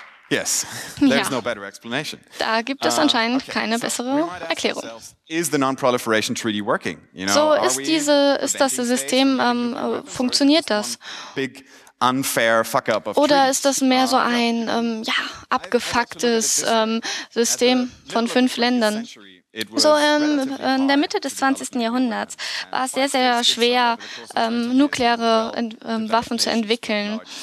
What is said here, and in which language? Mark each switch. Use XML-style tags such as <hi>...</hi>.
<en>Yes, there's no better explanation.</en> <de>Da gibt es anscheinend keine bessere Erklärung.</de> <en>Is the non-proliferation treaty working? You know,</en> <de>so ist diese, ist das System, funktioniert das?</de> <en>Big unfair fuck up of</en> <de>oder ist das mehr so ein abgefucktes System von fünf Ländern? So, in der Mitte des 20. Jahrhunderts war es sehr, sehr schwer, nukleare Waffen zu entwickeln.</de>